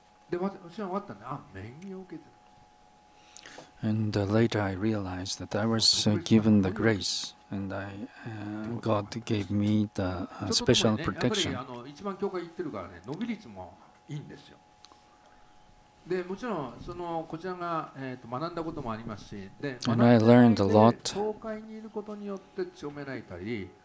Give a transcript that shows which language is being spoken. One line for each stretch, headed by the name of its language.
Japanese: で、私は終わったね。あ、恵みを受けてる。
English: And later I realized that I was given the grace, and I God gave me the special protection.
Japanese: やっぱり一番教会行ってるからね、伸び率もいいんですよ。で、もちろんそのこちらが学んだこともありますし、で、
English: And I learned a lot.
Japanese: 教会にいることによって強められたり。